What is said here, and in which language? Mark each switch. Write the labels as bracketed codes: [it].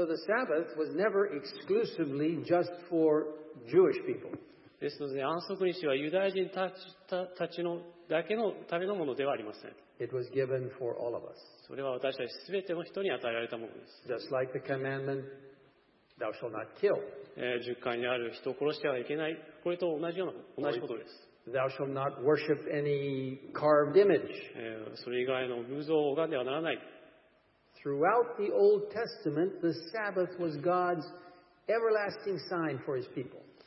[en] So the Sabbath was never exclusively just for Jewish people. [ja] ですので、安息日はユダヤ人たちのだけのためのものではありません。 [en] It was given for all of us. [ja] それは私たちすべての人に与えられたものです。 [en] Just like the commandment, thou shalt not kill. [ja] 十戒にある人を殺してはいけない、これと同じことです。 [en] Thou shalt not worship any carved image. [ja] それ以外の偶像を拝んではならない。 [en] Throughout the Old Testament, the Sabbath was God's everlasting sign for His people.